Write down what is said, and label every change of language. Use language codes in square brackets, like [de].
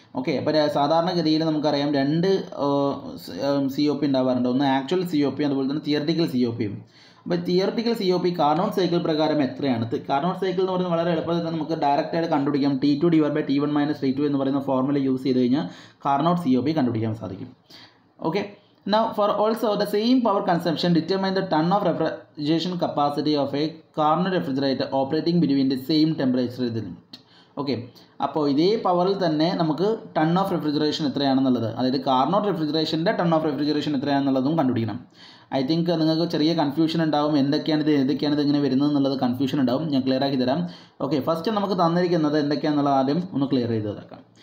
[ml] Okay, അപ്പോൾ സാധാരണഗതിയിൽ നമുക്കറിയാം രണ്ട് സി ഒ പി ഉണ്ടാവാറുണ്ട്, ഒന്ന് ആക്ച്വൽ സി ഒ പി അതുപോലെ തന്നെ തിയറിറ്റിക്കൽ സി ഒ പിയും. അപ്പോൾ theoretical C O P Carnot cycle പ്രകാരം എത്രയാണ്? കാർനോട്ട് സൈക്കിൾ എന്ന് പറയുന്നത് വളരെ എളുപ്പത്തിൽ തന്നെ നമുക്ക് ഡയറക്റ്റായിട്ട് കണ്ടുപിടിക്കാം. T two divide by T one minus T two എന്ന് പറയുന്ന ഫോർമുല യൂസ് ചെയ്ത് കഴിഞ്ഞാൽ കാർനോട്ട് സി ഒ പി കണ്ടുപിടിക്കാൻ സാധിക്കും. [en] Okay, Now, for also the same power consumption, determine the ton of refrigeration capacity of a Carnot refrigerator operating between the same temperature limit. Okay. [ml] അപ്പോൾ ഇതേ പവറിൽ തന്നെ നമുക്ക് ton of refrigeration എത്രയാണെന്നുള്ളത്, അതായത് Carnot റെഫ്രിജറേഷൻ്റെ ton of refrigeration എത്രയാണെന്നുള്ളതും കണ്ടുപിടിക്കണം. [en] I think [ml] നിങ്ങൾക്ക് ചെറിയ confusion ഉണ്ടാവും, എന്തൊക്കെയാണിത് ഏതൊക്കെയാണിത് ഇങ്ങനെ വരുന്നത് എന്നുള്ളത് കൺഫ്യൂഷൻ ഉണ്ടാവും. ഞാൻ ക്ലിയർ ആക്കി തരാം. ഓക്കെ, ഫസ്റ്റ് നമുക്ക് തന്നിരിക്കുന്നത് എന്തൊക്കെയാണെന്നുള്ളത് ആദ്യം ഒന്ന് ക്ലിയർ ചെയ്ത് തീർക്കാം.